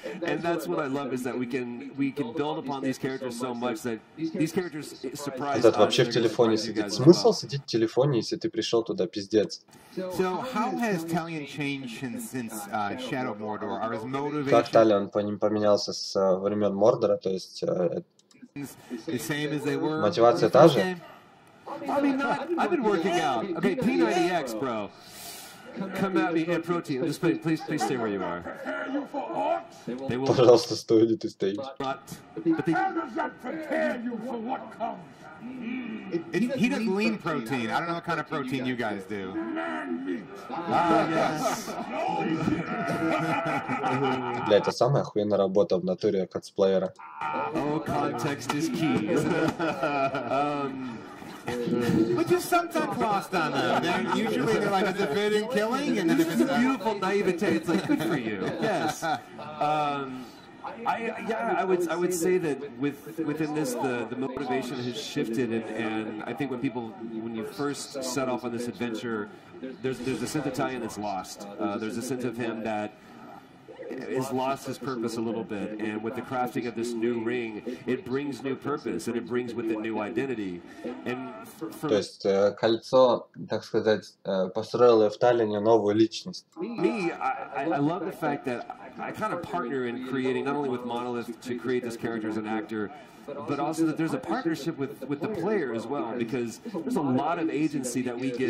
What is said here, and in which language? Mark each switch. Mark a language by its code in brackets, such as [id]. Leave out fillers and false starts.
[en] And that's what I love is that we can build upon these characters so much that these characters surprise. [ru] Этот вообще в телефоне сидит. Смысл сидеть в телефоне, если ты пришел туда, пиздец. [en] So how has Talion changed since Shadow Mordor? Are his motivations? [ru] Как Talion поменялся с времен Мордора, то есть мотивация та же? [en] I mean, not. I've been working out. Okay, P90X, bro. Come at me, and protein. Just please stay where you are. They will. [ru] Пожалуйста, стой, не ты стоишь. [en] But how does that prepare you for what comes? He does lean protein. I don't know what kind of protein you guys do. [ru] Бля, это самая охуенная работа в натуре косплеера. [en] Oh, context is key. Which is sometimes lost on them. They're usually they're like a defending killing, and then it's a beautiful naivete. It's like good for you. Yes. I would say that within this the motivation has shifted, and I think when you first set off on this adventure, there's a sense of Talion that's lost. There's a sense of him that has lost his purpose a little bit, and with the crafting of this new ring, it brings new purpose and it brings with it new identity. And [ru] то есть кольцо, так сказать, построило в Таллине новую личность. [en] Me, I love the fact that I kind of partner in creating, not only with Monolith to create this character as an actor, but also that there's a partnership with the player as well, because there's a lot of agency that we get.